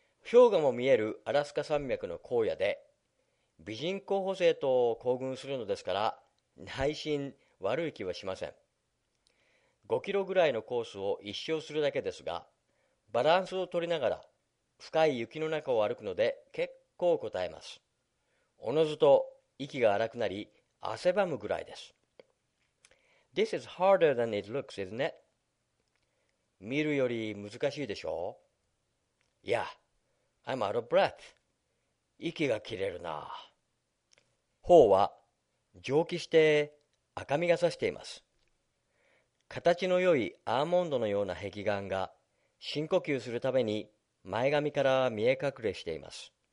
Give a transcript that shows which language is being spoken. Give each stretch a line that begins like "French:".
Japanese: 氷河も見えるアラスカ山脈の荒野で美人候補生と行軍するのですから、内心悪い気はしません。 5キロぐらいのコースを一周するだけですが、バランスを取りながら深い雪の中を歩くので結構こたえます。おのずと息が荒くなり汗ばむぐらいです。
English: This is harder than it looks, isn't it?
Japanese: 見るより難しいでしょう。
English: Yeah, I'm out of breath.
Japanese: 息が切れるな。頬は蒸気して赤みがさしています。形の良いアーモンドのような壁眼が深呼吸するために前髪から見え隠れしています。